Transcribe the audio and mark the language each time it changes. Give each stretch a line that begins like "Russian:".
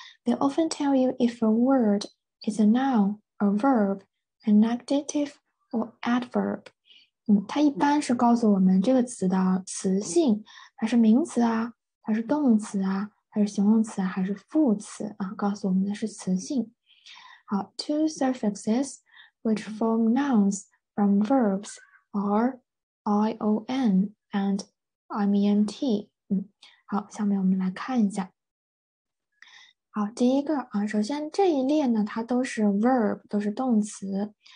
English: They often tell you if a word is a noun, a verb, an adjective, or adverb？
Chinese: 它一般是告诉我们这个词的词性，它是名词啊，它是动词啊，它是形容词啊，还是副词啊？告诉我们的是词性。好，
English: two suffixes which form nouns from verbs are ion and ment。
Chinese: 好，下面我们来看一下。好，第一个啊，首先这一列呢，它都是 verb，都是动词。